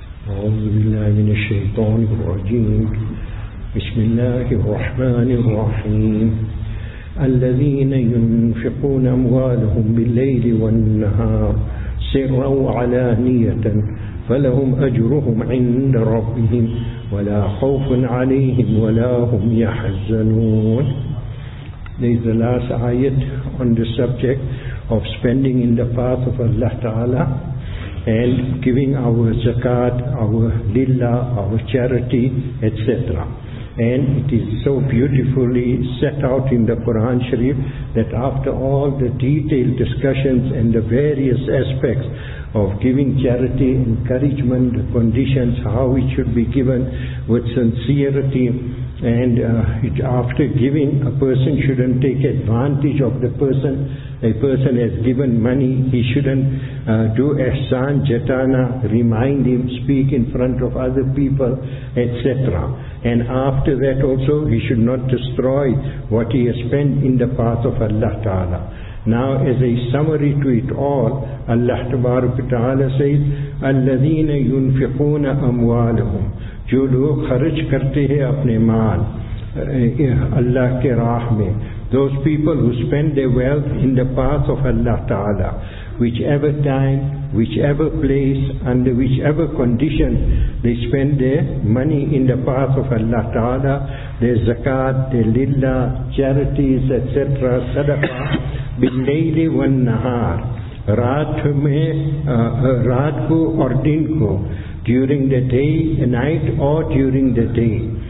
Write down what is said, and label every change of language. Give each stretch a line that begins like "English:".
Arabic: أعوذ بالله من الشيطان الرجيم. بسم الله الرحمن الرحيم. الذين ينفقون أموالهم بالليل والنهار سرا وعلانية فلهم أجرهم عند ربهم ولا خوف عليهم ولا هم يحزنون.
English: These the last ayat on the subject of spending in the path of Allah Ta'ala and giving our zakat, our lillah, our charity, etc. And it is so beautifully set out in the Quran Sharif that after all the detailed discussions and the various aspects of giving charity, encouragement, the conditions, how it should be given with sincerity, and after giving, a person shouldn't take advantage of the person. A person has given money, he shouldn't do ihsan, jatana, remind him, speak in front of other people, etc. And after that also, he should not destroy what he has spent in the path of Allah Ta'ala. Now, as a summary to it all, Allah Ta'ala says,
Arabic: الَّذِينَ يُنْفِقُونَ أَمْوَالَهُمْ
Urdu: جو لوگ خرج کرتے ہیں اپنے مال اللہ کے راہ میں.
English: Those people who spend their wealth in the path of Allah Ta'ala, whichever time, whichever place, under whichever condition they spend their money in the path of Allah Ta'ala, their zakat, their lillah, charities, etc., sadaqah,
Arabic: bilayli wal nahar,
Urdu: raat mein, raat ko aur din ko,
English: during the day, night or during the day.